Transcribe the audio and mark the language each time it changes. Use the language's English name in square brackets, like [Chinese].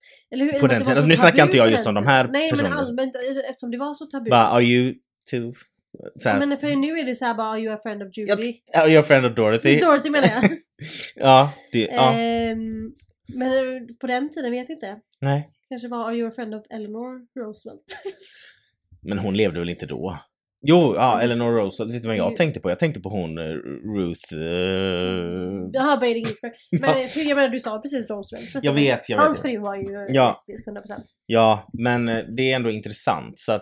[Swedish] Eller hur, på den tiden. Nu snackar inte jag just om de här personerna. Nej, men allmänt, eftersom det var så tabu. [English] But are you too... [Swedish] Såhär. Men för nu är det såhär bara, [English] are you a friend of Judy? Are you a friend of Dorothy? [Swedish] Dorothy menar jag. Ja, det, ja. Men på den tiden vet jag inte. Nej. Kanske bara, [English] are you a friend of Eleanor Roosevelt? [Swedish] Men hon levde väl inte då? Jo, ja, Eleanor Roosevelt. Vet du vad jag tänkte på? Jag tänkte på hon, Ruth. Jaha, Bading Eastburg. Men för jag menar, du sa precis Roosevelt. Jag vet, jag vet. Hans fru var ju lesbisk 100%. Ja, men det är ändå intressant. Så att,